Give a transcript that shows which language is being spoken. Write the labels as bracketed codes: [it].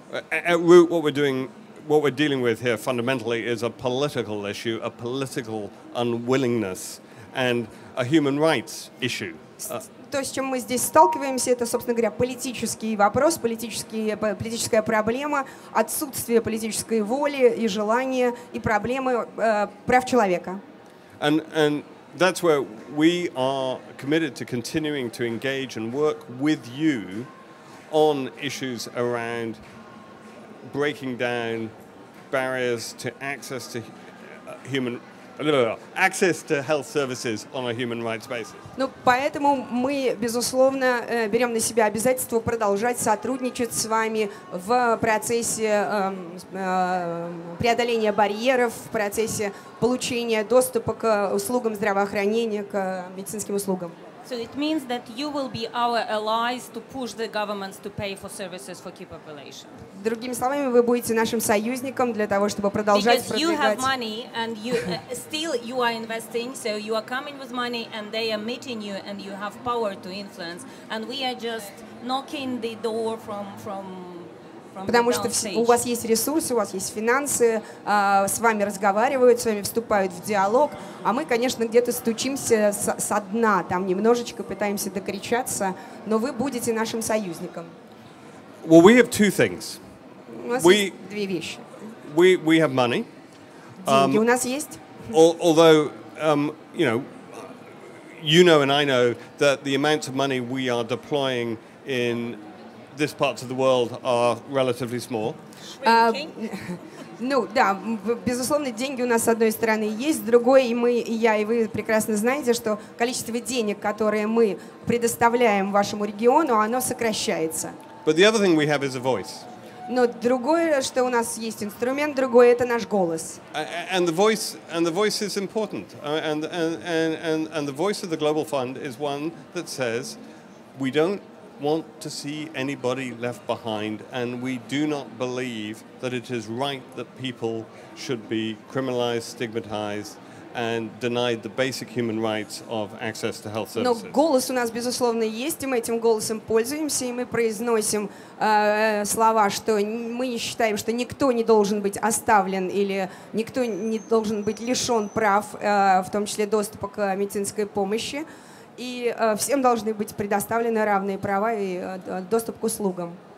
[en] At root, what we're dealing with here fundamentally is a political issue, a political unwillingness, and a human rights issue. [ru] То, с чем мы здесь сталкиваемся, это, собственно говоря, политический вопрос, политическая проблема, отсутствие политической воли и желания, и проблемы прав человека. [en] And that's where we are committed to continuing to engage and work with you on issues around breaking down barriers to access to human access to health services on a human rights basis. [ru] Ну, поэтому мы, безусловно, берем на себя обязательство продолжать сотрудничать с вами в процессе преодоления барьеров, в процессе получения доступа к услугам здравоохранения, к медицинским услугам. [en] So it means that you will be our allies to push the governments to pay for services for key population. [ru] Другими словами, вы будете нашим союзником для того, чтобы продолжать продвигать. [en] Because you have money and you still you are investing, so you are coming with money and they are meeting you and you have power to influence. And we are just knocking the door from [ru] Потому что у вас есть ресурсы, у вас есть финансы, с вами разговаривают, с вами вступают в диалог, а мы, конечно, где-то стучимся со дна, там немножечко пытаемся докричаться, но вы будете нашим союзником. [en] Well, we have two things. [ru] У нас есть две вещи. [en] We have money. [ru] Деньги у нас есть. [en] Although, you know and I know that the amount of money we are deploying in this part of the world are relatively small. [ru] Ну, да, безусловно, деньги у нас с одной стороны есть, с другой, и вы прекрасно знаете, что количество денег, которые мы предоставляем вашему региону, оно сокращается. [en] But the other thing we have is a voice. [ru] Но другое, что у нас есть инструмент, другое, это наш голос. [en] And the voice is important. And the voice of the Global Fund is one that says we don't want to see anybody left behind, and we do not believe that it is right that people should be criminalized, stigmatized, and denied the basic human rights of access to health services. [ru] Но голос у нас безусловно есть, и мы этим голосом пользуемся, и мы произносим слова, что мы не считаем, что никто не должен быть оставлен или никто не должен быть лишен прав, в том числе доступа к медицинской помощи. И всем должны быть предоставлены равные права и доступ к услугам.